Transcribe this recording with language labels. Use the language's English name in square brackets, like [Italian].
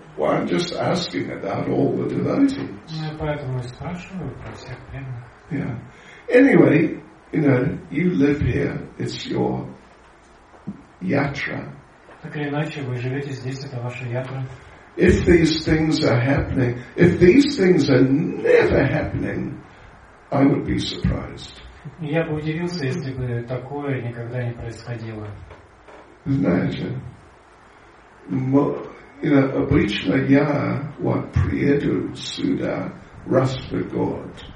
[English] Well, I'm just asking about all the devotees. [Russian] Ну, поэтому и спрашиваю про всех преданных. [English] Anyway, you know, you live here, it's your yatra. [Russian] Так или иначе, вы живете здесь, это ваше ядро. [English] If these things are happening, if these things are never happening, I would be surprised. [Russian] Я бы удивился, если бы такое никогда не происходило. Знаете, [English] you know, [Russian] обычно я вот приеду сюда, раз в год.